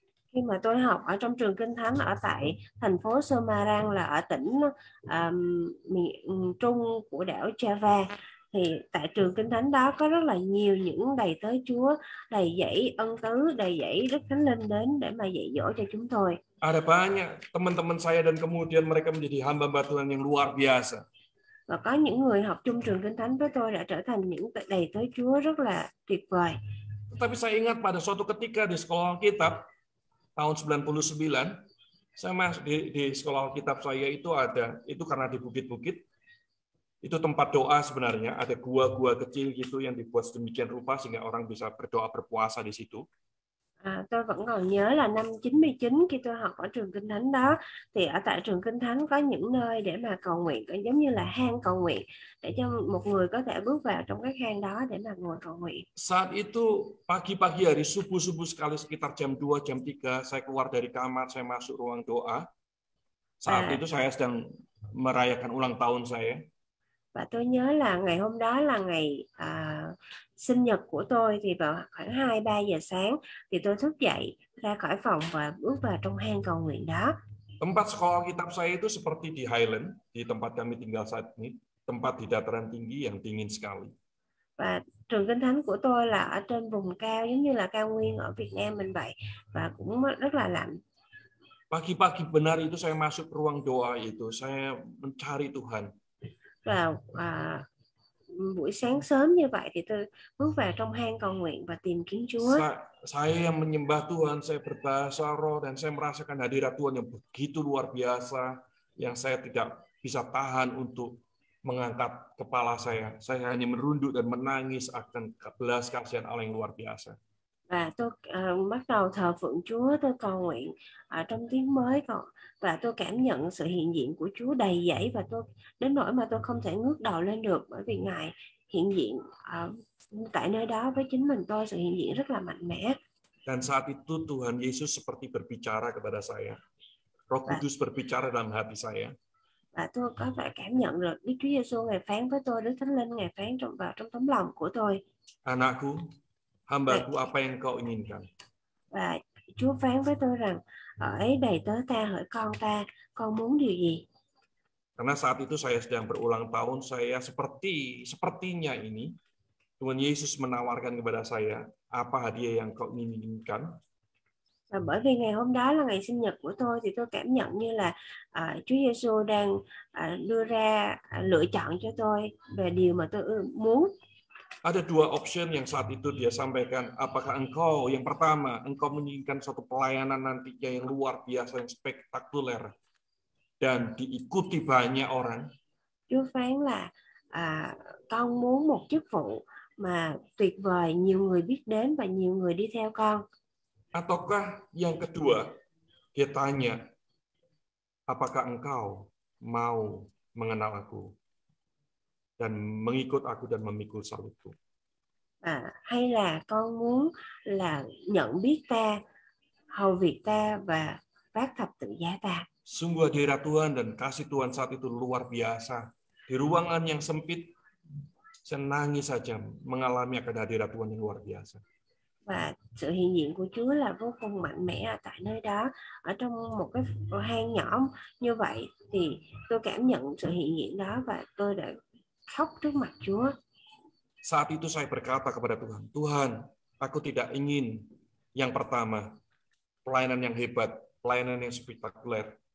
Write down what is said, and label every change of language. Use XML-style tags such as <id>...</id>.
<vi>Khi mà tôi học ở trong trường Kinh Thánh ở tại thành phố Semarang là ở tỉnh miền trung của đảo Java, thì tại trường Kinh Thánh đó có rất là nhiều những đầy tớ Chúa, đầy dẫy ân tứ, đầy dẫy Đức Thánh Linh đến để mà dạy dỗ cho chúng tôi.</vi> <id>Ada banyak teman-teman saya dan kemudian mereka menjadi hamba-hamba Tuhan yang luar biasa.</id> <vi>Và có những người học chung trường Kinh Thánh với tôi đã trở thành những đầy tớ Chúa rất là tuyệt vời.</vi> <id>Tapi saya ingat pada suatu ketika di sekolah Alkitab tahun 99, saya masuk di sekolah Alkitab saya itu ada, itu karena di bukit-bukit, itu tempat doa sebenarnya, ada gua-gua kecil gitu yang dibuat sedemikian rupa sehingga orang bisa berdoa berpuasa di situ.</id> <vi>Tôi vẫn còn nhớ là năm 99 khi tôi học ở trường Kinh Thánh đó, thì ở tại trường Kinh Thánh có những nơi để mà cầu nguyện, giống như là hang cầu nguyện, để cho một người có thể bước vào trong cái hang đó để mà ngồi cầu nguyện.</vi> <id>Saat itu pagi-pagi hari, subuh-subuh sekali sekitar jam 2, jam 3, saya keluar dari kamar, saya masuk ruang doa. Saat itu saya sedang merayakan ulang tahun saya.</id> <vi>Và tôi nhớ là ngày hôm đó là ngày sinh nhật của tôi, thì vào khoảng 2-3 giờ sáng thì tôi thức dậy ra khỏi phòng và bước vào trong hang cầu nguyện đó.</vi> <id>Tempat sekolah kitab saya itu seperti di Highland, di tempat kami tinggal saat ini, tempat di dataran tinggi yang dingin sekali.</id> <vi>Và trường Kinh Thánh của tôi là ở trên vùng cao giống như là cao nguyên ở Việt Nam mình vậy, và cũng rất là lạnh.</vi> <id>Pagi-pagi benar itu saya masuk ruang doa itu, saya mencari Tuhan.</id> <vi>Và buổi sáng sớm như vậy thì tôi bước vào trong hang cầu nguyện và tìm kiếm Chúa.</vi> <id>Saya yang menyembah Tuhan, saya berbahasa roh dan saya merasakan hadirat Tuhan yang begitu luar biasa yang saya tidak bisa tahan untuk mengangkat kepala saya. Saya hanya merunduk dan menangis akan belas kasihan Allah yang luar biasa.</id> <vi>Và tôi bắt đầu thờ phượng Chúa, tôi cầu nguyện trong tiếng mới còn, và tôi cảm nhận sự hiện diện của Chúa đầy dẫy, và tôi đến nỗi mà tôi không thể ngước đầu lên được bởi vì Ngài hiện diện tại nơi đó với chính mình tôi, sự hiện diện rất là mạnh mẽ.</vi> <id>Dan saat itu Tuhan Yesus seperti berbicara kepada saya. Roh Kudus berbicara dalam hati saya.</id> <vi>Và tôi có thể cảm nhận được Đức Chúa Giêsu Ngài phán với tôi, Đức Thánh Linh Ngài phán trong vào trong tấm lòng của tôi.</vi> <id>Anakku, hamba-Ku, apa yang Kau inginkan?</id> <vi>Và Chúa phán với tôi rằng, hỡi đầy tớ Ta, hỡi con Ta, con muốn điều gì?</vi> <id>Karena saat itu saya sedang berulang tahun, saya sepertinya ini Tuhan Yesus menawarkan kepada saya, apa hadiah yang Kau inginkan?</id> <vi>Và bởi vì ngày hôm đó là ngày sinh nhật của tôi, thì tôi cảm nhận như là Chúa Giêsu đang đưa ra lựa chọn cho tôi về điều mà tôi muốn.</vi> <id>Ada dua option yang saat itu dia sampaikan. Apakah engkau, yang pertama, engkau menginginkan suatu pelayanan nantinya yang luar biasa, yang spektakuler, dan diikuti banyak orang.</id> <vi>Chúa phán là, con muốn một chức vụ mà tuyệt vời, nhiều người biết đến và nhiều người đi theo con.</vi> <id>Ataukah yang kedua, dia tanya, apakah engkau mau mengenal aku? Dan mengikut aku dan memikul salibku.</id> <vi>Hay là con muốn là nhận biết Ta, hầu việc Ta và vác thập tự giá Ta.</vi> <id>Sungguh hadirat Tuhan dan kasih Tuhan saat itu luar biasa. Di ruangan yang sempit, senangis saja mengalami akan hadirat Tuhan yang luar biasa.</id> <vi>Và sự hiện diện của Chúa là vô cùng mạnh mẽ ở tại nơi đó, ở trong một cái hang nhỏ như vậy, thì tôi cảm nhận sự hiện diện đó và tôi đã khóc trước mặt Chúa.</vi> <id>Saat itu saya berkata kepada Tuhan, Tuhan, aku tidak ingin yang pertama, pelayanan yang hebat, pelayanan yang spektakuler.</id>